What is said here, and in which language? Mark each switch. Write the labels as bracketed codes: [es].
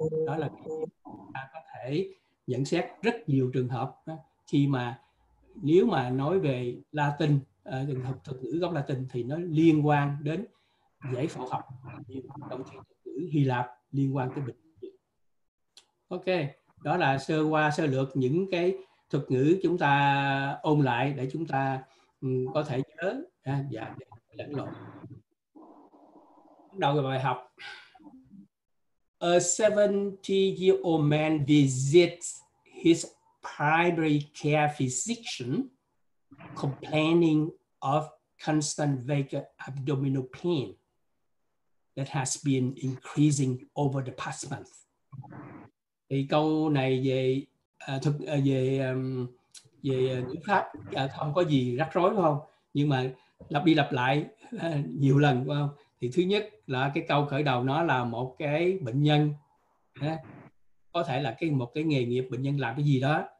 [vi] Đó là ta có thể nhận xét rất nhiều trường hợp khi mà nếu mà nói về Latin, trường hợp thuật ngữ gốc Latin thì nó liên quan đến giải phẫu học, trong khi thuật ngữ Hy Lạp liên quan tới bệnh. Ok, đó là sơ qua sơ lược những cái thuật ngữ chúng ta ôn lại để chúng ta có thể nhớ và lẫn lộn. Đầu bài học. [en] A 70-year-old man visits his primary care physician complaining of constant vague abdominal pain that has been increasing over the past month. [vi] Thì câu này về ngữ pháp không có gì rắc rối, không, nhưng mà lặp đi lặp lại nhiều lần, không? Thì thứ nhất là cái câu khởi đầu nó là một cái bệnh nhân, có thể là cái một cái nghề nghiệp bệnh nhân làm cái gì đó.